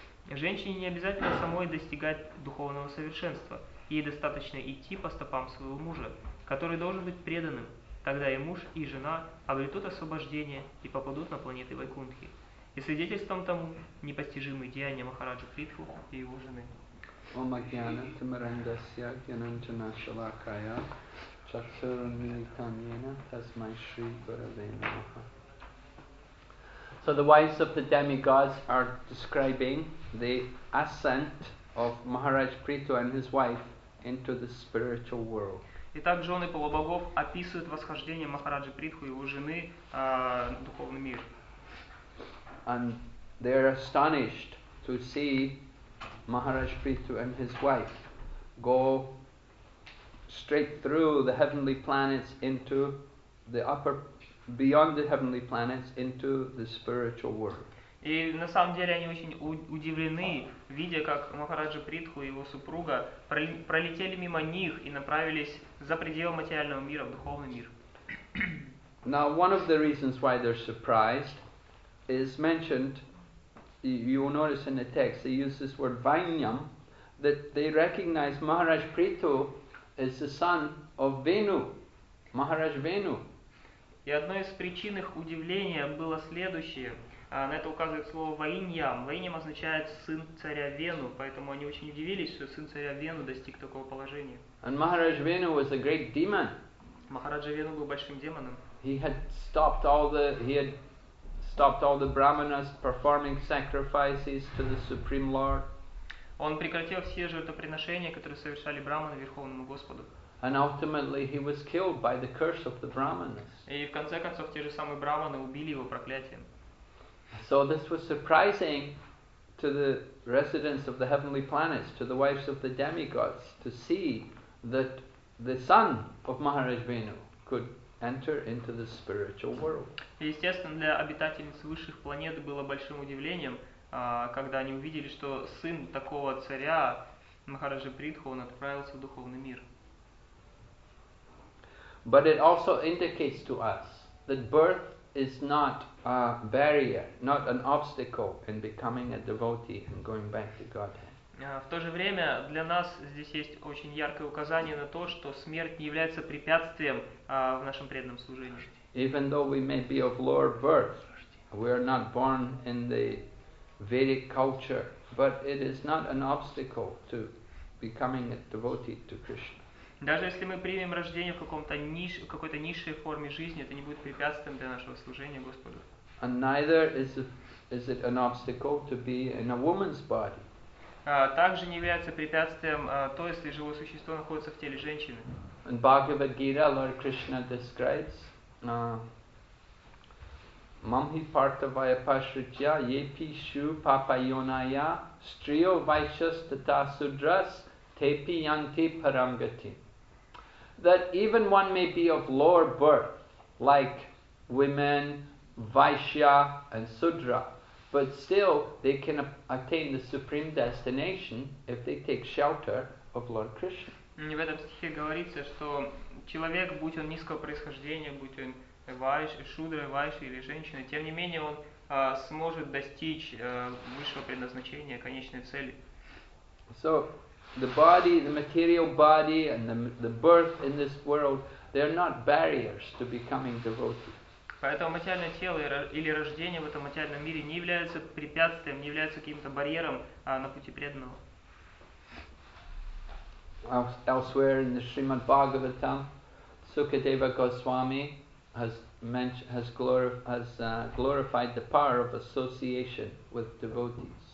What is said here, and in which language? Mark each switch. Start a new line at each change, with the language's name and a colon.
Russian: Женщине не обязательно самой достигать духовного совершенства, ей достаточно идти по стопам своего мужа, который должен быть преданным, тогда и муж, и жена обретут освобождение и попадут на планеты Вайкунтхи. И свидетельством тому непостижимые деяния Махараджа Притху и его жены.
Sanskrit: Омагьяна тамарандасья гьянанджана шалакая чатсурамилитамьяна тазмай шри гураве намаха.
English: So the wives of the demigods are describing the ascent of Maharaj Prithu and his wife into the spiritual world.
Russian: Итак, жены полубогов описывают восхождение Махараджи Притху и его жены в духовный мир.
English: And they are astonished to see Maharaj Prithu and his wife go straight through the heavenly planets into the upper, beyond the heavenly planets into the spiritual world.
Russian: И на самом деле они очень удивлены, видя, как Махараджа Притху и его супруга пролетели мимо них и направились за пределы материального мира в духовный мир.
English: Now, one of the reasons why they're surprised is mentioned, you will notice in the text, they use this word Vainyam, that they recognize Maharaj Prithu is the son of Venu, Maharaj Venu.
Russian: И одной из причин их удивления было следующее. На это указывает слово Vainyam. Vainyam означает сын царя Вену, поэтому они очень удивились, что сын царя Вену достиг такого положения.
English: And Maharaj Venu was a great demon.
Russian: Maharaja Venu был большим демоном.
English: He had stopped all the brahmanas performing sacrifices to the Supreme Lord.
Russian: Он прекратил все жертвоприношения, которые совершали брахманы Верховному Господу.
English: And ultimately he was killed by the curse of the brahmanas.
Russian: И в конце концов те же самые брахманы убили его проклятием.
English: So this was surprising to the residents of the heavenly planets, to the wives of the demigods, to see that the son of Maharaj Venu could enter into the spiritual world.
Russian: Естественно, для обитателей высших планет было большим удивлением, когда они увидели, что сын такого царя Махараджа Притху, он отправился в духовный мир.
English: But it also indicates to us that birth is not a barrier, not an obstacle in becoming a devotee and going back to Godhead.
Russian: В то же время для нас здесь есть очень яркое указание на то, что смерть не является препятствием в нашем преданном служении.
English: Even though we may be of lower birth, we are not born in the Vedic culture, but it is not an obstacle to becoming a devotee to Krishna.
Russian: Даже если мы примем рождение в каком-то в какой-то низшей форме жизни, это не будет препятствием для нашего служения Господу.
English: And neither is it an obstacle to be in a woman's body.
Russian: Также не является препятствием то, если живое существо находится в теле женщины.
English: In Bhagavad Gita, Lord Krishna describes
Sanskrit: Mamhi Partha Vayapashritya Yepishu Papayonaya Striyo Vaishas Tatasudras Tepi Yanti Paramgati.
English: That even one may be of lower birth, like women, Vaishya and Sudra, but still they can attain the supreme destination if they take shelter of Lord Krishna.
Russian: В этом стихе говорится, что человек, будь он низкого происхождения, будь он шудра, вайша или женщина, тем не менее он сможет достичь высшего предназначения, конечной цели.
English: So, the body, the material body and the birth in this world, they are not barriers to becoming devotee.
Russian: Поэтому материальное тело или рождение в этом материальном мире не является препятствием, не является каким-то барьером на пути преданного.
English: Elsewhere in the Srimad Bhagavatam, Sukadeva Goswami has glorified the power of association with devotees.